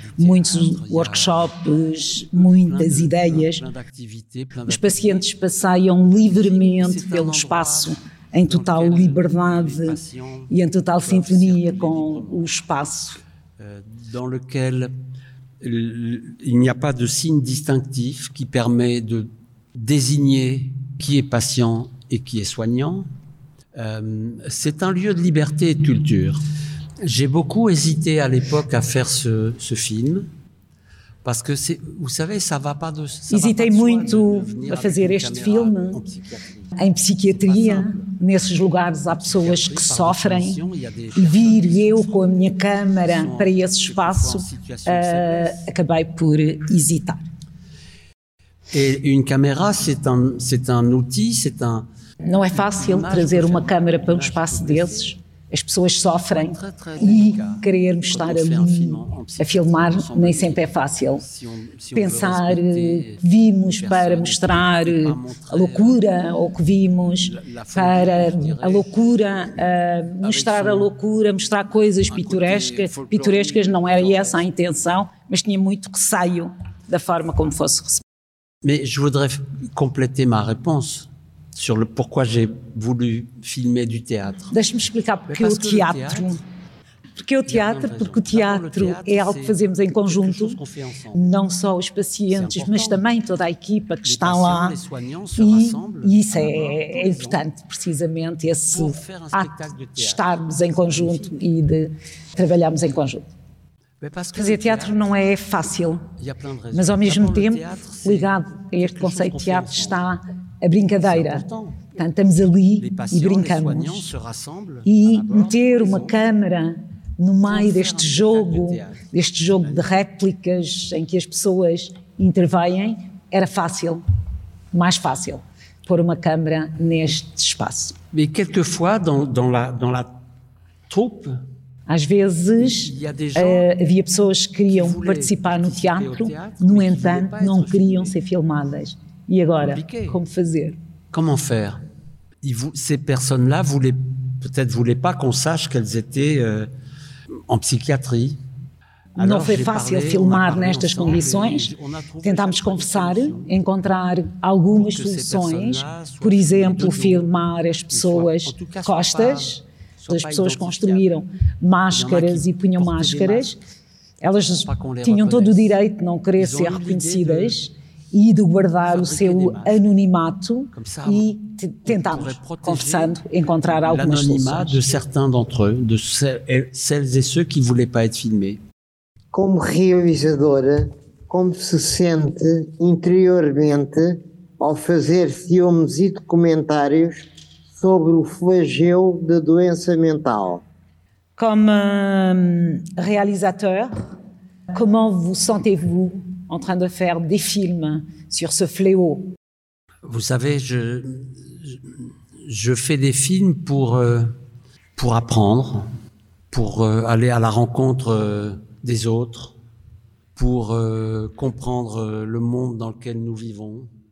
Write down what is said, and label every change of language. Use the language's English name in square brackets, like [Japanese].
[Portuguese] Muitos workshops, muitas ideias. Os pacientes passeiam livremente pelo espaço, em total liberdade e em total sintonia com o espaço. [French] Dans lequel il n'y a pas de signe distinctif qui permet de désigner qui est patient et qui est soignant. C'est un lieu de liberté et de culture. J'ai beaucoup hésité à l'époque à faire ce film parce que c'est, vous savez, ça va pas de [Portuguese] hésitei muito a fazer este filme em psiquiatria. Nesses lugares há pessoas que sofrem, e vir eu com a minha câmara para esse espaço, acabei por hesitar. E uma câmera, [French] c'est un outil, c'est un. [Portuguese] Não é fácil trazer uma câmara para um espaço desses. As pessoas sofrem e querermos estar ali a filmar nem sempre é fácil. Pensar, vimos para mostrar a loucura ou que vimos para a loucura, mostrar a loucura, mostrar coisas pitorescas. Pitorescas não era essa a intenção, mas tinha muito receio da forma como fosse recebido. Mas eu gostaria de completar a minha resposta. [French] Sur le pourquoi j'ai voulu filmer du théâtre. [Portuguese] Deixe-me explicar porque o teatro. Porque o teatro? Porque o teatro é algo que fazemos em conjunto, não só os pacientes, mas também toda a equipa que está lá. E isso é importante, precisamente, esse ato de estarmos em conjunto e de trabalharmos em conjunto. Fazer teatro não é fácil, mas ao mesmo tempo, ligado a este conceito de teatro, está a brincadeira. Portanto, estamos ali e brincamos. E meter uma câmara no meio deste jogo de réplicas em que as pessoas intervêm, era fácil, mais fácil, pôr uma câmara neste espaço. [French] Mas, quelquefois, dans la troupe. [Portuguese] Às vezes havia pessoas que queriam participar no teatro, no entanto, não queriam ser filmadas. E agora, como fazer? Como fazer? Essas pessoas-là, peut-être, não queriam que [French] sache qu'elles étaient [Portuguese] em psiquiatria. Não foi fácil filmar nestas condições. Tentámos conversar, encontrar algumas soluções. Por exemplo, filmar as pessoas costas. As pessoas construíram máscaras e punham máscaras. Elas tinham todo o direito de não querer ser reconhecidas e de guardar o seu anonimato e tentámos, conversando, encontrar algumas soluções. [French] De certains d'entre eux, de celles et ceux qui ne voulaient pas être filmés. [Portuguese] Como realizadora, como se sente interiormente ao fazer filmes e documentários sobre o flagelo da doença mental. [French] Como réalisateur, comment vous sentez-vous en train de faire des films sur ce fléau? Vous savez, je fais des films pour apprendre, pour aller à la rencontre des autres, pour comprendre le monde dans lequel nous vivons.